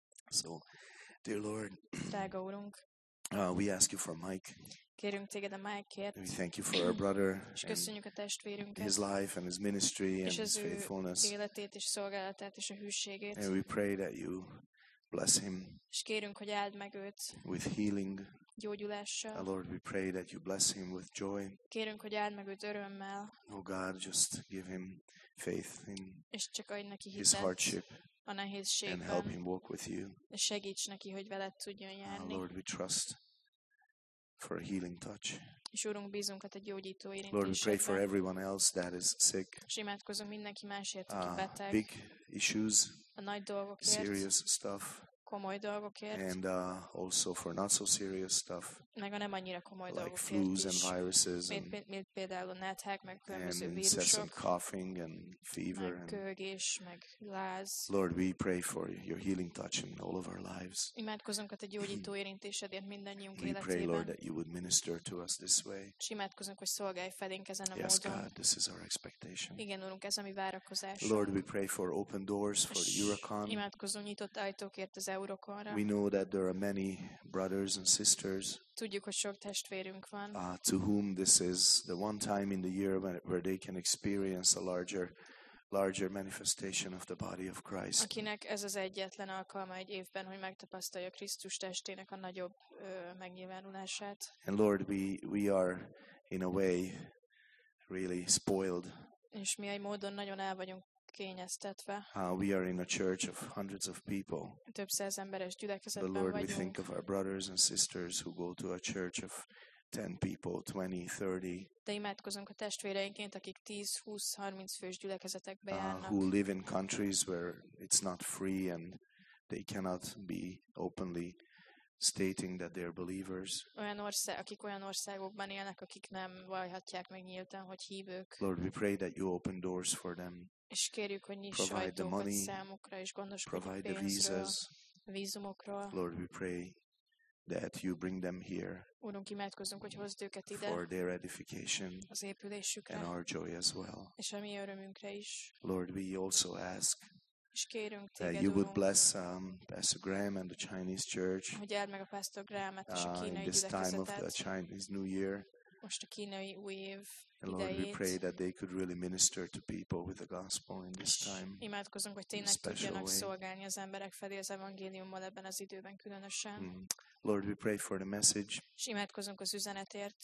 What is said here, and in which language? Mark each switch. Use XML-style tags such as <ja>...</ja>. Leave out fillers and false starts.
<en>So, dear Lord, we ask you for Mike.</en> <hu>Kérünk téged a Mike-ért.</hu> <en>We thank you for our brother.</en> <hu>És köszönjük a testvérünket.</hu> <en>His life and his ministry and</en> <hu>és</hu> <en>his faithfulness.</en> <hu>Életét és szolgálatát és a hűségét.</hu> <en>And we pray that you bless him.</en> <hu>És kérünk, hogy áld meg őt.</hu> <en>With healing.</en> <hu>Gyógyulással.</hu> <en>Oh Lord, we pray that you bless him with joy.</en> <hu>Kérünk, hogy áld meg őt örömmel.</hu> <en>Oh God, just give him faith in</en> <hu>és csak adj neki hitet.</hu> <en>His hardship.</en> <hu>A nehézségben.</hu> <en>And help him walk with you.</en> <hu>És segíts neki, hogy veled tudjon járni.</hu> <en>Lord, we trust for a healing touch.</en> <hu>És Úrunk, bízunk a te gyógyító érintésében.</hu> <en>Lord, we pray for everyone else that is sick.</en> <hu>És imádkozunk mindenki másért, aki beteg.</hu> <en>Big issues.</en> <hu>A nagy dolgokért.</hu> <en>Serious stuff.</en> <hu>Komoly dolgokért.</hu> <en>And also for not so serious stuff.</en> <hu>Meg a nem annyira komoly dolgokért is.</hu> <en>Like flus and viruses.</en> <hu>Mint például netek, meg különböző vírusok.</hu> <en>And incessant coughing and fever.</en> <hu>Meg köhögés, meg láz.</hu> <en>Lord, we pray for your healing touch in all of our lives.</en> <hu>Imádkozunk a te gyógyító érintésedért mindannyiunk életében.</hu> <en>We pray, Lord, that you would minister to us this way.</en> <hu>És imádkozunk, hogy szolgálj felénk ezen a módon.</hu> <en>Yes, God, this is our expectation.</en> <hu>Igen, Úrunk, ez a mi várakozásunk.</hu> <en>Lord, we pray for open doors for the Eurocon.</en> <hu>Imádkozunk nyitott ajtókért az Eurokonra.</hu> <en>We know that there are many brothers and sisters.</en> <hu>Tudjuk, hogy sok testvérünk van.</hu> <en>To whom this is the one time in the year where they can experience a larger manifestation of the body of Christ.</en> <hu>Akinek ez az egyetlen alkalma egy évben, hogy megtapasztalja Krisztus testének a nagyobb megnyilvánulását.</hu> <en>And Lord, we are in a way really spoiled.</en> <hu>És mi egy módon nagyon el vagyunk kényeztetve.</hu> <en>We are in a church of hundreds of people.</en> <hu>Több száz emberes gyülekezetben vagyunk.</hu> <en>But Lord, we think of our brothers and sisters who go to a church of 10 people, 20, 30.</en> <hu>De imádkozunk a testvéreinként, akik 10, 20, 30 fős gyülekezetekbe járnak.</hu> <en>Who live in countries where it's not free and they cannot be openly stating that they are believers.</en> <hu>Olyan akik olyan országokban élnek, akik nem vallhatják meg nyíltan, hogy hívők.</hu> <en>Lord, we pray that you open doors for them.</en> <hu>És kérjük, hogy nyiss ajtókat számukra, és gondoskodj a pénzről, a vízumokról.</hu> <en>Lord, we pray that you bring them here.</en> <hu>Urunk, imádkozunk, hogy hozd őket ide.</hu> <en>For their edification.</en> <hu>Az épülésükre.</hu> <en>And our joy as well.</en> <hu>És a mi örömünkre is.</hu> <en>Lord, we also ask.</en> <hu>És kérünk téged,</hu> <en>that you would bless Pastor Graham and the Chinese Church.</en> <hu>Hogy áld meg a Pastor Graham-et és a kínai gyülekezetet.</hu> <en>In this time of the Chinese New Year.</en> <hu>Most a kínai új év.</hu> <en>And Lord, we pray that they could really minister to people with the gospel in this time.</en> <hu>Imádkozunk, hogy tényleg tudjanak szolgálni az emberek felé az evangéliummal ebben az időben különösen.</hu> <en>Lord, we pray for the message.</en> <hu>És imádkozunk az üzenetért.</hu>